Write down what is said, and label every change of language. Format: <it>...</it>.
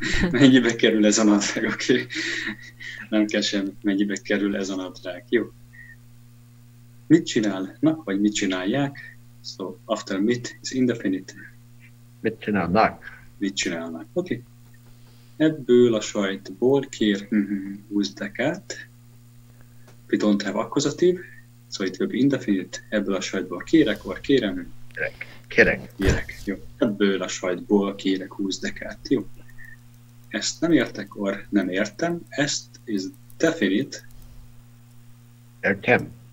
<hu>Mennyibe kerül ez a nadrág? Oké. Okay. Nem kell sem, mennyibe kerül ez a nadrág. Jó. Mit csinálnak, vagy mit csinálják?</hu> <en>So, after mit is indefinite.</en> <hu>Mit csinálnak? Mit csinálnak? Oké. Okay. Ebből a sajtból kér húzdekát.</hu> <en>We don't have accusative, so it will be indefinite.</en> <hu>Ebből a sajtból kérek,</hu> <en>or</en> <hu>kérem? Kérek. Kérek. Kérek. Jó. Ebből a sajtból kérek húzdekát. Jó. Ezt nem értek,</hu> <en>or</en> <hu>nem értem.</hu> <en>Ezt is definite.</en> <hu>Értem.</hu>